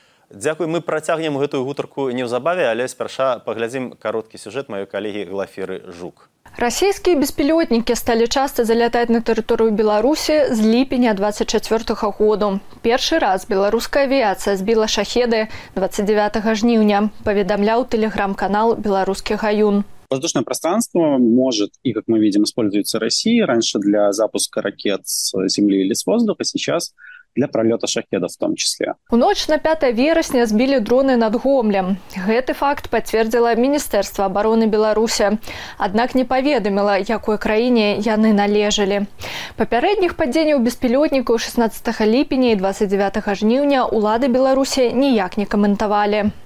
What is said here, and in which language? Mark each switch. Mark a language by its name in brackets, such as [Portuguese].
[Belarusian] Дзякуй, мы працягнем гэтую гутарку неўзабаве, але спярша паглядзім кароткі сюжэт маёй калегі Глафіры Жук. Расійскія беспілотнікі сталі часта залятаць на тэрыторыю Беларусі з ліпеня 24 году. Першы раз беларуская авіяцыя збіла шахеды 29 жніўня, паведамляў тэлеграм-канал «Беларускі гаюн». [Russian] Воздушное пространство может, и как мы видим, используется Россией раньше для запуска ракет с земли или с воздуха, сейчас для пролёта шахедов в том числе. [Belarusian] У ноч на 5 верасня збілі дроны над Гомлем. Гэты факт пацвердзіла Міністэрства абароны Беларусі, аднак не паведаміла, якой краіне яны належалі. Папярэдніх падзенняў беспілотнікаў 16 ліпеня і 29 жніўня ўлады Беларусі ніяк не каментавалі.